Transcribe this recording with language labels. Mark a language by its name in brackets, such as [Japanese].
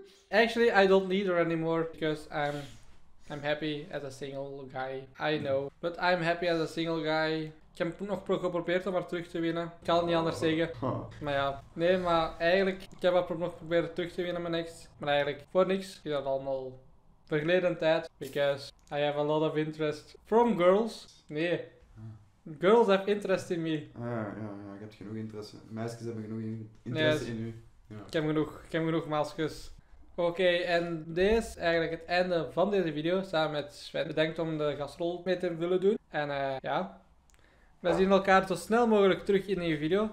[English] Actually, I don't need her anymore. Because I'm happy as a single guy. I know. But I'm happy as a single guy. [Dutch] Ik heb nog geprobeerd om haar terug te winnen. Ik kan het niet anders zeggen. Maar ja. Nee, maar eigenlijk... Ik heb nog geprobeerd terug te winnen, mijn ex. Maar eigenlijk, voor niks. Is dat allemaal verleden tijd. [English] Because I have a lot of interest from girls. Nee. Girls have interest in me. [Dutch] Ja, ik heb genoeg interesse. Meisjes hebben genoeg interesse in u. Ja. Ik heb genoeg meisjes. Oké, en dit is eigenlijk het einde van deze video. Samen met Sven. Bedankt om de gastrol mee te willen doen. En ja... We zien elkaar zo snel mogelijk terug in een nieuwe video.